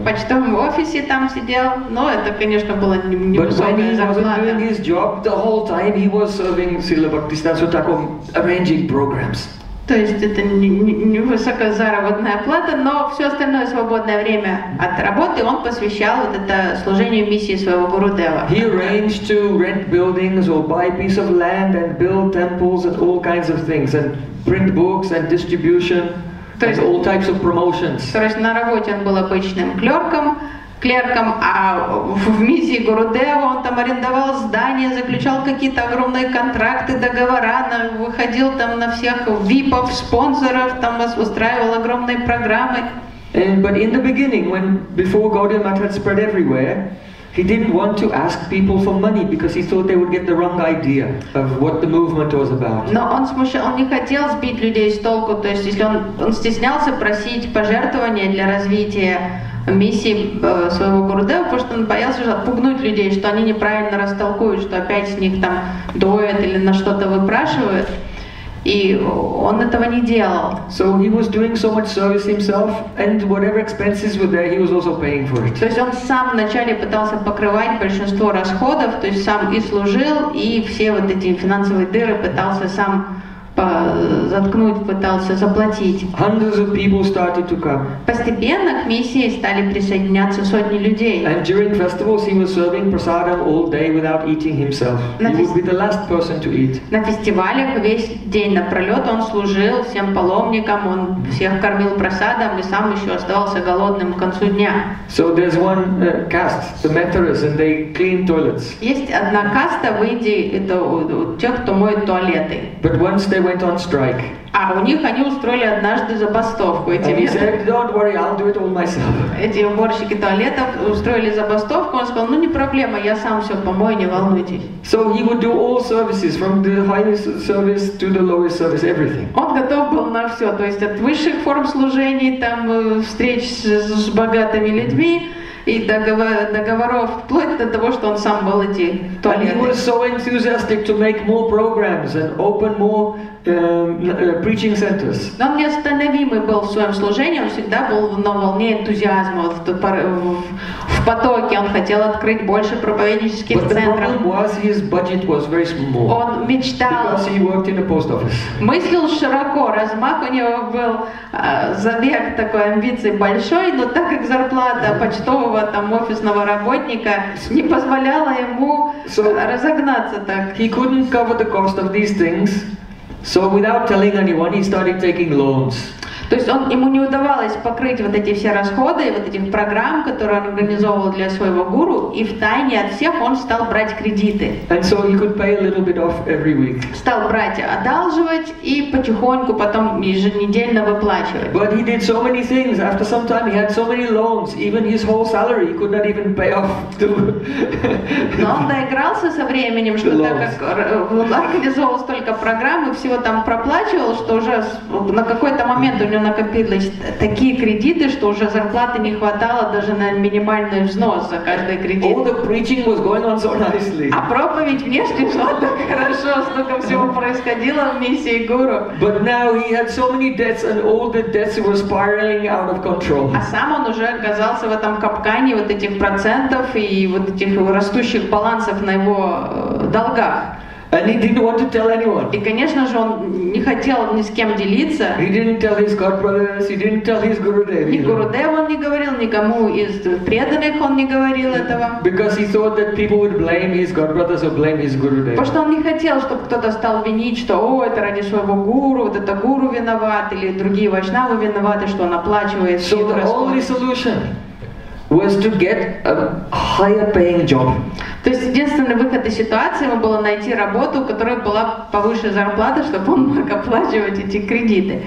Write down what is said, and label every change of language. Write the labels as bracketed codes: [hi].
[ru] В почтовом офисе там сидел, но это, конечно, было невысокая зарплата. [en] But when he wasn't doing his job, the whole time he was serving Srila Bhaktisiddhanta Thakur, arranging programs. [ru] То есть это невысокая заработная плата, но все остальное свободное время от работы он посвящал вот это служению миссии своего гурудева. [en] He arranged to rent buildings or buy a piece of land and build temples and all kinds of things and print books and distribution. [ru] То есть, [en] all types of promotions. [ru] То есть на работе он был обычным клерком, а в миссии Гурудева он там арендовал здания, заключал какие-то огромные контракты, договора, выходил там на всех VIP-ов, спонсоров, там устраивал огромные программы. [en] And, but in the beginning, when before Gaudiya Math had spread everywhere, he didn't want to ask people for money because he thought they would get the wrong idea of what the movement was about. [ru] Но он смущался, он не хотел сбить людей с толку, то есть если он стеснялся просить пожертвования для развития миссии своего гурудева, потому что он боялся отпугнуть людей, что они неправильно растолкуют, что опять с них там доят или на что-то выпрашивают. И он этого не делал. [en] So he was doing so much service himself, and whatever expenses were there, he was also paying for it. [ru] То есть он сам вначале пытался покрывать большинство расходов, то есть сам и служил, и все вот эти финансовые дыры пытался сам заткнуть, пытался заплатить. [en] Hundreds of people started to come. [ru] Постепенно к миссии стали присоединяться сотни людей. [en] And during festivals he was serving prasadam all day without eating himself. He would be the last person to eat. [ru] На фестивалях весь день напролет он служил всем паломникам, он всех кормил прасадом и сам еще оставался голодным к концу дня. [en] So there's one caste, the metaras, and they clean toilets. [ru] Есть одна каста в Индии, это тех, кто моет туалеты. [en] But once they went on strike. [ru] А у них они устроили однажды забастовку. [en] And he said, "Don't worry, I'll do it all myself." [ru] Эти уборщики туалетов устроили забастовку. Он сказал, ну не проблема, я сам все помою, не волнуйтесь. [en] So he would do all services, from the highest service to the lowest service, everything. [ru] Он готов был на все, то есть от высших форм служений, там встреч с богатыми людьми, и договоров, вплоть до того, что он сам был эти туалеты. [en] And he was so enthusiastic to make more programs and open more preaching centers. [ru] Но он неостановимый был в своем служении, он всегда был на волне энтузиазма, в потоке, он хотел открыть больше проповеднических [en] But [ru] центров. [en] But the problem was his budget was very small. [ru] Он мечтал. [en] Because he worked in a post office. [ru] Мыслил широко, размах у него был, забег такой амбиции большой, но так как зарплата почтового там офисного работника не позволяла ему разогнаться так. [en] He couldn't cover the cost of these things. So without telling anyone, he started taking loans. [ru] То есть он, ему не удавалось покрыть вот эти все расходы, вот этих программ, которые он организовывал для своего гуру, и втайне от всех он стал брать кредиты. [en] And so he could pay a little bit off every week. [ru] Стал брать, одалживать и потихоньку потом еженедельно выплачивать. [en] But he did so many things. After some time he had so many loans, even his whole salary he could not even pay off. [ru] Но он доигрался со временем, что так как организовывал столько программ и всего там проплачивал, что уже на какой-то момент у него накопились такие кредиты, что уже зарплаты не хватало даже на минимальный взнос за каждый кредит. [en] All the preaching was going on so nicely. [ru] А проповедь внешне шла так хорошо, столько всего происходило в миссии гуру. [en] But now he had so many debts and all the debts were spiraling out of control. [ru] А сам он уже оказался в этом капкане вот этих процентов и вот этих растущих балансов на его долгах. [en] And he didn't want to tell anyone. [ru] И, конечно же, он не хотел ни с кем делиться. [en] He didn't tell his god brothers, he didn't tell his gurudev. [ru] Ни гурудев он не говорил, никому из преданных он не говорил этого. [en] Because he thought that people would blame his god brothers or blame his gurudev. [ru] Потому что он не хотел, чтобы кто-то стал винить, что, о, это ради своего гуру, вот это гуру виноват, или другие вайшнавы виноваты, что он оплачивает все расходы. [en] So the only solution was to get a higher paying job. [ru] То есть единственный выход из ситуации ему было найти работу, у которой была повыше зарплата, чтобы он мог оплачивать эти кредиты.